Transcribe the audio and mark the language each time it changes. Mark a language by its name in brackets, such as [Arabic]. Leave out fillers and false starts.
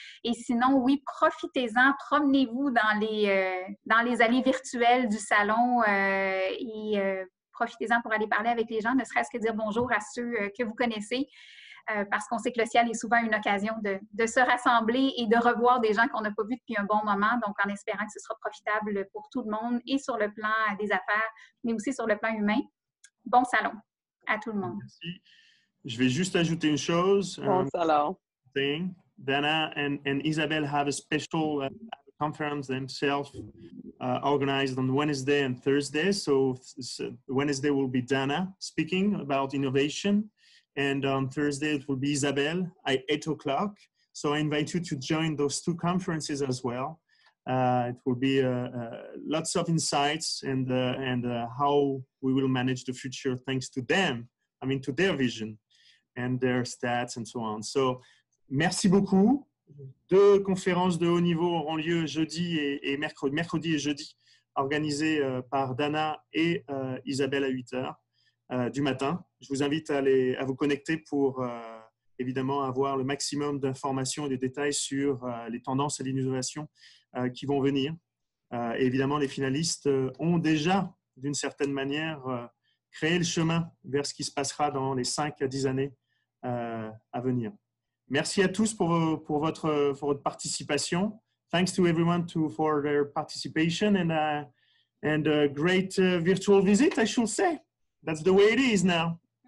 [French] Et sinon, oui, profitez-en, promenez-vous dans les allées virtuelles du salon et profitez-en pour aller parler avec les gens, ne serait-ce que dire bonjour à ceux que vous connaissez, parce qu'on sait que le CIAL est souvent une occasion de se rassembler et de revoir des gens qu'on n'a pas vus depuis un bon moment, donc en espérant que ce sera profitable pour tout le monde et sur le plan des affaires, mais aussi sur le plan humain. Bon salon à tout le monde. Merci. Je vais juste ajouter une chose. Bon salon. [English] Dana and Isabelle have a special conference themselves organized on Wednesday and Thursday. So Wednesday will be Dana speaking about innovation. And on Thursday, it will be Isabelle at 8:00. So I invite you to join those two conferences as well. It will be lots of insights and how we will manage the future thanks to them. I mean, to their vision and their stats and so on. [French] So merci beaucoup. Deux conférences de haut niveau auront lieu jeudi et mercredi et jeudi, organisées par Dana et Isabelle à 8:00 du matin. Je vous invite à vous connecter pour évidemment avoir le maximum d'informations et de détails sur les tendances et l'innovation qui vont venir. Et évidemment, les finalistes ont déjà, d'une certaine manière, créé le chemin vers ce qui se passera dans les 5 à 10 années à venir. Merci à tous pour votre participation. [English] Thanks to everyone for their participation and a great virtual visit, I should say. That's the way it is now.